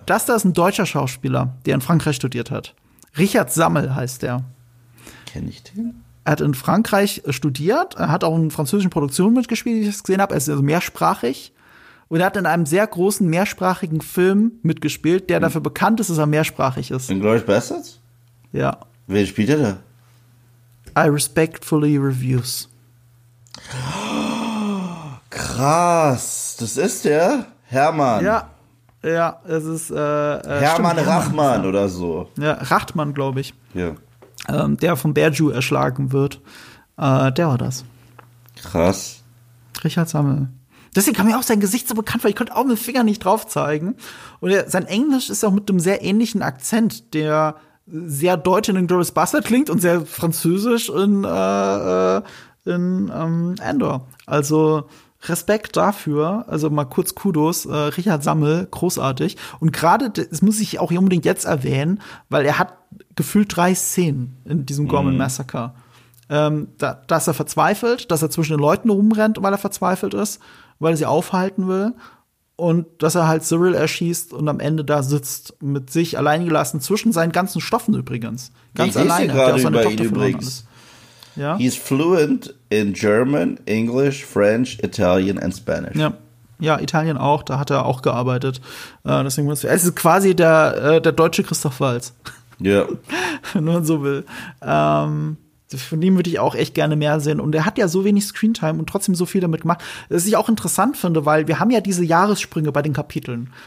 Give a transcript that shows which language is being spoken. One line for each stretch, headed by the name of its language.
German: Das da ist ein deutscher Schauspieler, der in Frankreich studiert hat. Richard Sammel heißt der. Kenn ich den? Er hat in Frankreich studiert, hat auch in französischen Produktionen mitgespielt, wie ich es gesehen habe. Er ist also mehrsprachig. Und er hat in einem sehr großen mehrsprachigen Film mitgespielt, der dafür bekannt ist, dass er mehrsprachig ist. In Glorious Bastards? Ja. Wen spielt er da? I respectfully reviews. Krass, das ist der Hermann. Ja, es ist Hermann Rachmann oder so. Ja, Rachmann, glaube ich. Ja. Der von Berju erschlagen wird. Der war das. Krass. Richard Sammel. Deswegen kam mir auch sein Gesicht so bekannt vor. Ich konnte auch mit dem Finger nicht drauf zeigen. Und sein Englisch ist auch mit einem sehr ähnlichen Akzent, der sehr deutsch in Glorious Bastard klingt und sehr französisch in Andor. Also Respekt dafür, also mal kurz Kudos, Richard Sammel, großartig. Und gerade, das muss ich auch unbedingt jetzt erwähnen, weil er hat gefühlt 3 Szenen in diesem Gorman Massacre. Dass er verzweifelt, dass er zwischen den Leuten rumrennt, weil er verzweifelt ist, weil er sie aufhalten will. Und dass er halt Cyril erschießt und am Ende da sitzt, mit sich allein gelassen, zwischen seinen ganzen Stoffen übrigens. Ganz ich alleine, der auch seine über Tochter verloren hat. Ja?
English: He's fluent in German, English, French, Italian and Spanish.
German: Ja. Ja, Italien auch, da hat er auch gearbeitet. Deswegen muss es ist quasi der deutsche Christoph Waltz. Ja. Wenn man so will. Von dem würde ich auch echt gerne mehr sehen. Und er hat ja so wenig Screentime und trotzdem so viel damit gemacht. Was ich auch interessant finde, weil wir haben ja diese Jahressprünge bei den Kapiteln.